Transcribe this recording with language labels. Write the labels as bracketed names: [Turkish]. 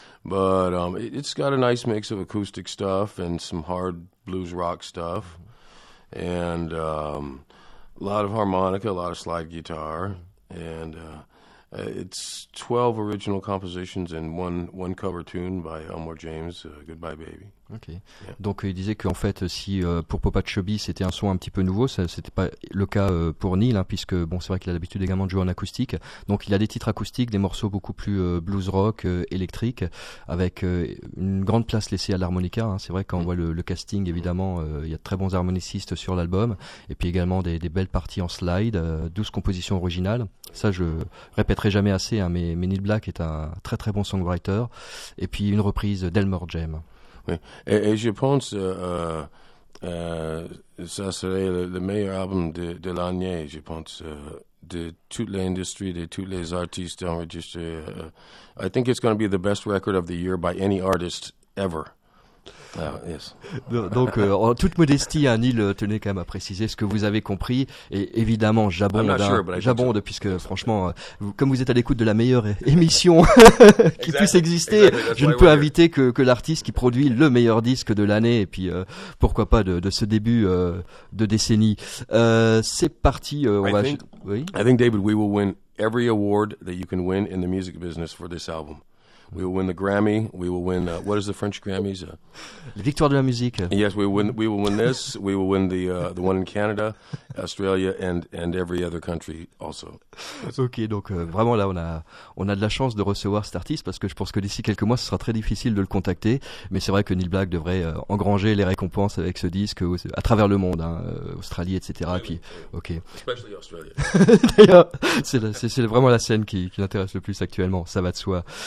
[English] But it's got a nice mix of acoustic stuff and some hard blues rock stuff. And a lot of harmonica, a lot of slide guitar. And it's 12 original compositions and one cover tune by Elmore James, Goodbye Baby. Ok. Yeah. [French] Donc il disait qu'en fait, si pour Papa Chubby c'était un son un petit peu nouveau, ça, c'était pas le cas pour Neil, hein, puisque bon, c'est vrai qu'il a l'habitude également de jouer en acoustique. Donc il a des titres acoustiques, des morceaux beaucoup plus blues rock, électrique, avec une grande place laissée à l'harmonica. Hein. C'est vrai qu'on voit le casting, évidemment, il y a de très bons harmonicistes sur l'album, et puis également des belles parties en slide, 12 compositions originales. Ça, je répéterai jamais assez, hein, mais Neil Black est un très très bon songwriter. Et puis une reprise d'Elmore Jam. Oui. Et je pense que ça serait le meilleur album de l'année, je pense, de toute l'industrie, de tous les artistes enregistrés. [English] I think it's going to be the best record of the year by any artist ever. Yes. [French] Donc, en toute modestie, hein, Neil tenait quand même à préciser ce que vous avez compris. Et évidemment, j'abonde, puisque franchement, comme vous êtes à l'écoute de la meilleure émission qui puisse exister, je ne peux inviter que l'artiste qui produit le meilleur disque de l'année, et puis pourquoi pas de ce début de décennie. C'est parti. [English] I think, David, we will win every award that you can win in the music business for this album. We will win the Grammy. We will win. What is the French Grammys? [French] Les victoires de la musique. [English] Yes, we will win. We will win this. We will win the one in Canada, Australia, and every other country also. [French] Ok, donc vraiment là, on a de la chance de recevoir cet artiste, parce que je pense que d'ici quelques mois, ce sera très difficile de le contacter. Mais c'est vrai que Neil Black devrait engranger les récompenses avec ce disque à travers le monde, hein, Australie, etc. Oui, puis, oui. Ok. [English] Especially Australia. [French] D'ailleurs, c'est vraiment la scène qui l'intéresse le plus actuellement. Ça va de soi.